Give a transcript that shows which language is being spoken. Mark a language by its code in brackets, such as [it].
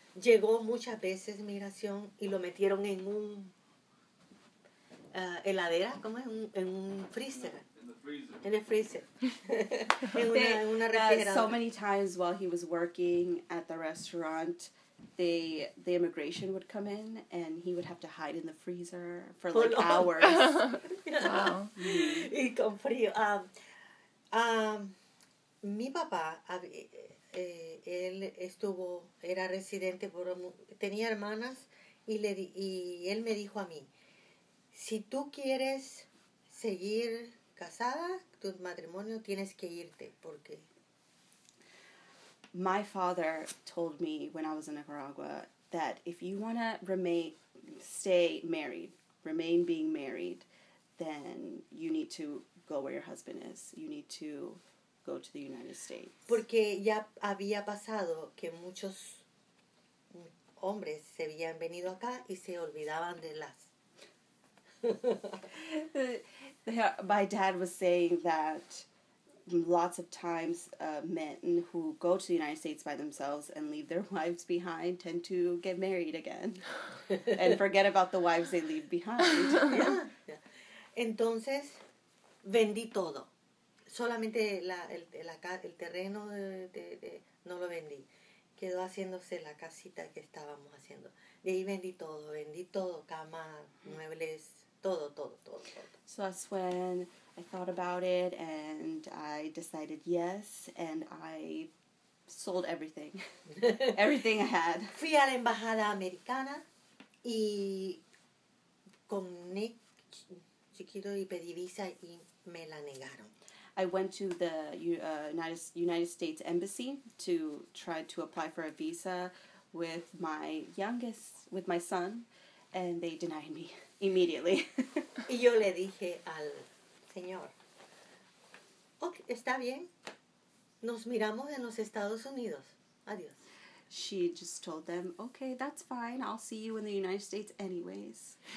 [es] Llegó muchas veces migración y lo metieron en un heladera, ¿cómo es? En un freezer. [en] In the freezer. [es] En el freezer. en una refrigeradora. [en] So many times while he was working at the restaurant, the immigration would come in and he would have to hide in the freezer for like hours. [es] Y con frío. Mi papá, él estuvo, era residente, tenía hermanas y él me dijo a mí, si tú quieres seguir casada, tu matrimonio tienes que irte porque... [en] My father told me when I was in Nicaragua that if you want to remain being married, then you need to go where your husband is. You need to go to the United States. [es] Porque ya había pasado que muchos hombres se habían venido acá y se olvidaban de las... [en] My dad was saying that lots of times men who go to the United States by themselves and leave their wives behind tend to get married again and forget about the wives they leave behind. [es] Entonces, vendí todo. Solamente el terreno de no lo vendí. Quedó haciéndose la casita que estábamos haciendo. De ahí vendí todo, cama, muebles, todo, todo, todo, todo. [en] So that's when I thought about it and I decided yes, and I sold everything. Everything I had. [es] Fui a la embajada americana y con Nick Chiquito y pedí visa y me la negaron. [en] I went to the United States Embassy to try to apply for a visa with my youngest, with my son, and they denied me immediately. [es] Y yo le dije al señor, okay, está bien, nos miramos en los Estados Unidos. Adiós. [en] She just told them, okay, that's fine, I'll see you in the United States anyways.